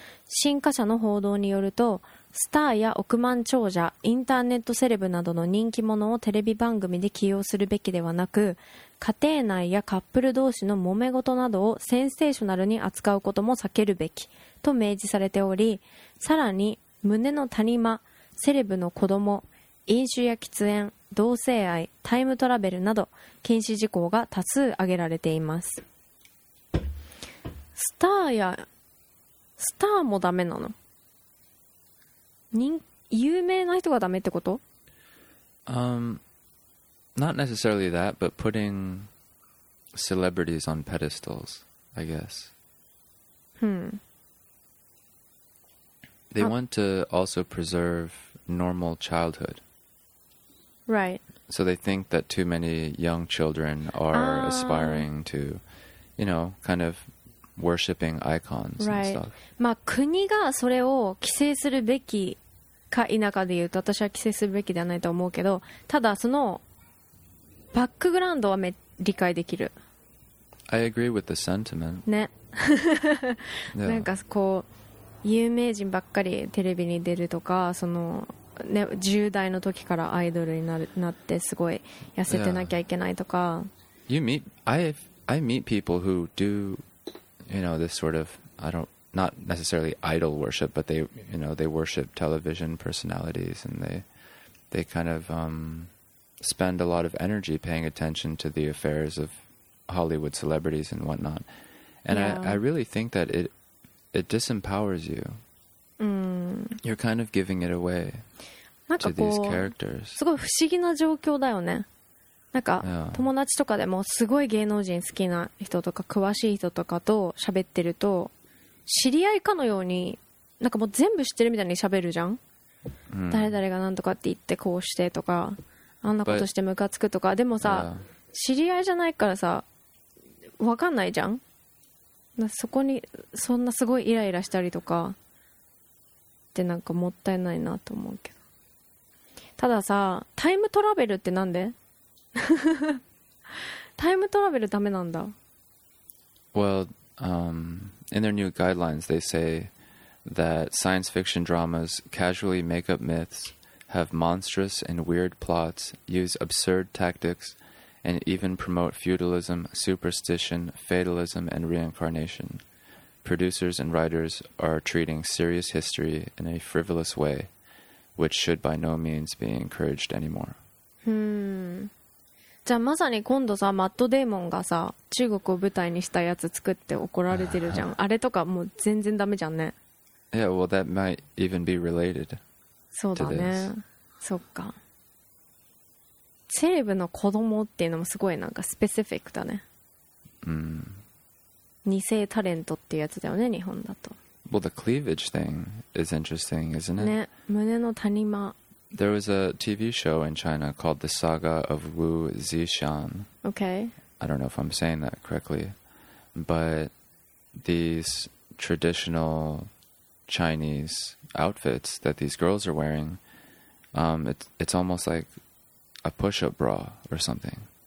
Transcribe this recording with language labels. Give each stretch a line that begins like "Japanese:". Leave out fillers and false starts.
Japanese: 新華社の報道によると、スターや億万長者、インターネットセレブなどの人気者をテレビ番組で起用するべきではなく、家庭内やカップル同士の揉め事などをセンセーショナルに扱うことも避けるべきと明示されており、さらに胸の谷間、セレブの子供、飲酒や喫煙、同性愛、タイムトラベルなど禁止事項が多数挙げられています。スターもダメなの？有名な人がダメってこと？
English: Not necessarily that, but putting celebrities on pedestals, I guess. They want to also preserve normal childhood. Right. So they think that too many young children are aspiring to, you know, kind of worshipping icons right. and stuff.
Japanese: まあ国がそれを規制するべきか否かで言うと、私は規制するべきではないと思うけど、ただそのバックグラウンドは理解できる。
English: I agree with the sentiment.
Japanese: ね。yeah. なんかこう有名人ばっかりテレビに出るとか、その、ね、10代の時からアイドルになってすごい痩せてなきゃいけないとか。
English: Yeah. You meet, I meet people who do, you know, this sort of, I don't, not necessarily idol worship, but they, you know, they worship television personalities and they kind of spend a lot of energy paying attention to the affairs of Hollywood celebrities and whatnot. And I really think that it disempowers you. You're kind of giving it away to these characters.
Japanese: すごい不思議な状況だよね。なんか友達とかでもすごい芸能人好きな人とか詳しい人とかと喋ってると、知り合いかのように、なんかもう全部知ってるみたいに喋るじゃん。誰々がなんとかって言ってこうしてとか、あんなことしてムカつくとか。でもさ、知り合いじゃないからさ、わかんないじゃん。そこにそんなすごいイライラしたりとかってなんかもったいないなと思うけど。たださ、タイムトラベルってなんで？タイムトラベルダメなんだ。
English: Well, in their new guidelines, they say that science fiction dramas casually make up myths, have monstrous and weird plots, use absurd tactics, and even promote feudalism, superstition, fatalism, and reincarnation. Producers and writers are treating serious history in a frivolous way, which should by no means be encouraged anymore.
Japanese: じゃあまさに今度さ、マットデーモンがさ、中国を舞台にしたやつ作って怒られてるじゃん。あれとかもう全然ダメじゃんね。
English: Yeah, well, that might even be related to this.
Japanese: そうだね。そっか。セレブの子供っていうのもすごいなんかスペシフィックだね。二世タレントっていうやつだよね、日本だと。
English: Well, the cleavage thing is interesting, isn't it?
Japanese: ね、胸の谷間。
English: There was a TV show in China called The Saga of Wu Zixian. Okay. I don't know if I'm saying that correctly, but these traditional Chinese outfits that these girls are wearing, it's almost like a push-up bra or something.